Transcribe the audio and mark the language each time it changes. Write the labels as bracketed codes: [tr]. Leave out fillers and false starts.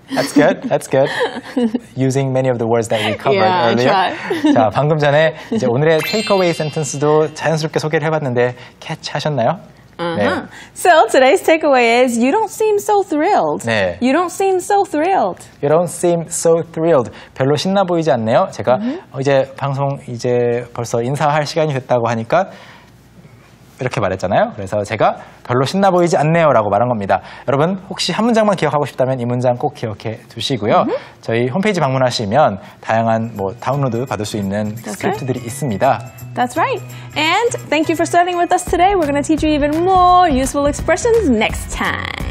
[en] That's good. That's good. Using many of the words that we covered yeah, earlier. Yeah, I tried. [ko] 자, 방금 전에 이제 오늘의 takeaway sentence도 자연스럽게 소개를 해봤는데 catch 하셨나요? Uh-huh. [en] 네. So today's takeaway is you don't seem so thrilled. [ko] 네. [en] You don't seem so thrilled. You don't seem so thrilled. [ko] 별로 신나 보이지 않네요. 제가 mm-hmm. 이제 방송 이제 벌써 인사할 시간이 됐다고 하니까 이렇게 말했잖아요. 그래서 제가 별로 신나 보이지 않네요라고 말한 겁니다. 여러분 혹시 한 문장만 기억하고 싶다면 이 문장 꼭 기억해 두시고요. Mm-hmm. 저희 홈페이지 방문하시면 다양한 뭐 다운로드 받을 수 있는 [en] That's [ko] 스크립트들이 [en] right. [ko] 있습니다. [en] That's right. And thank you for studying with us today. We're going to teach you even more useful expressions next time.